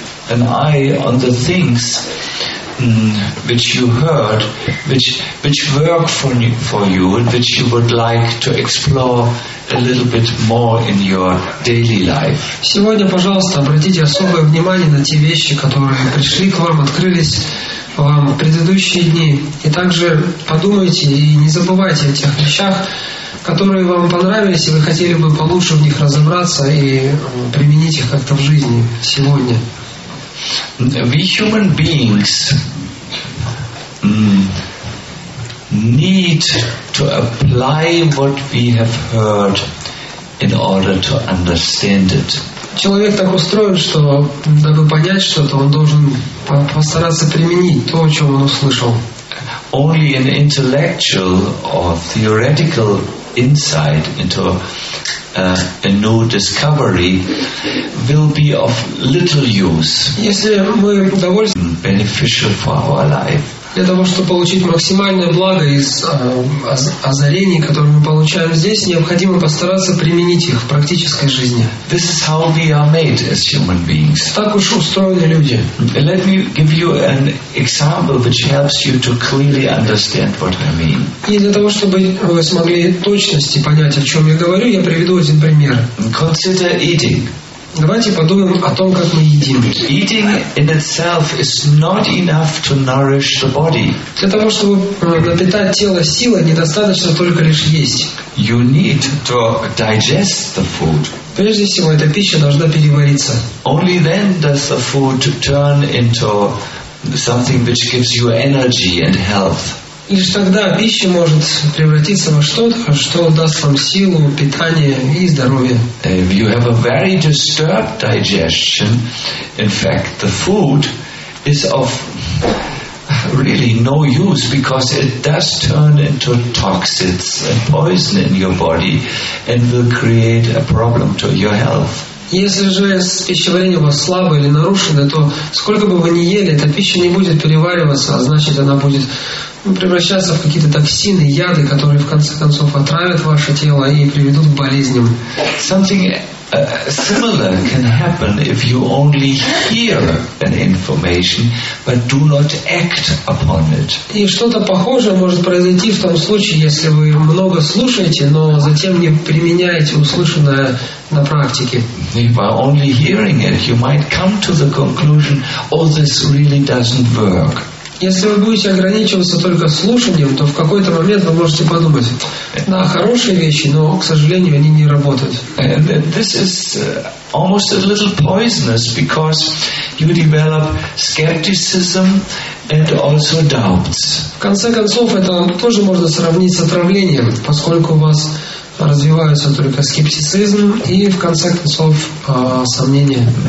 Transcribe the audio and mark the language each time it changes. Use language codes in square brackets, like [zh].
[en] an eye on the things which you heard, which work for you, and which you would like to explore a little bit more in your daily life. [ru] Сегодня, пожалуйста, обратите особое внимание на те вещи, которые пришли к вам, открылись вам в предыдущие дни, и также подумайте и не забывайте о тех вещах, которые вам понравились, и вы хотели бы получше в них разобраться и применить их как-то в жизни сегодня. [en] We human beings need to apply what we have heard in order to understand it. [ru] Человек так устроен, что дабы понять что-то, он должен постараться применить то, о чем он услышал. [en] Only an intellectual or theoretical insight into a new discovery will be of little use. [ru] Если мы довольны, [en] beneficial for our life. [ru] Для того, чтобы получить максимальное благо из озарений, которые мы получаем здесь, необходимо постараться применить их в практической жизни. [en] This is how we are made as human beings. [ru] Так уж устроены люди. [en] Let me give you an example which helps you to clearly understand what I mean. [ru] И для того, чтобы вы смогли точности понять, о чем я говорю, я приведу один пример. [en] Consider eating. [ru] Давайте подумаем о том, как мы едим. [en] Eating in itself is not enough to nourish the body. [ru] Для того, чтобы напитать тело силой, недостаточно только лишь есть. [en] You need to digest the food. [ru] Прежде всего, эта пища должна перевариться. [en] Only then does the food turn into something which gives you energy and health. [ru] Лишь тогда пища может превратиться во что-то, что даст вам силу, питание и здоровье. [en] If you have a very disturbed digestion, in fact, the food is of really no use because it does turn into toxins and poison in your body and will create a problem to your health. [ru] Если же пищеварение у вас слабое или нарушено, то сколько бы вы ни ели, эта пища не будет перевариваться, а значит, она будет превращаться в какие-то токсины, яды, которые в конце концов отравят ваше тело и приведут к болезням. [en] Something similar can happen if you only hear an information, but do not act upon it. [ru] И что-то похожее может произойти в том случае, если вы много слушаете, но затем не применяете услышанное на практике. [en] By only hearing it, you might come to the conclusion, oh, this really doesn't work. [ru] Если вы будете ограничиваться только слушанием, то в какой-то момент вы можете подумать, да, хорошие вещи, но, к сожалению, они не работают. [en] This is almost a little poisonous because you develop skepticism and also doubts. [ru] В конце концов, это тоже можно сравнить с отравлением, поскольку у вас развиваются только скептицизм и, в конце концов, сомнения.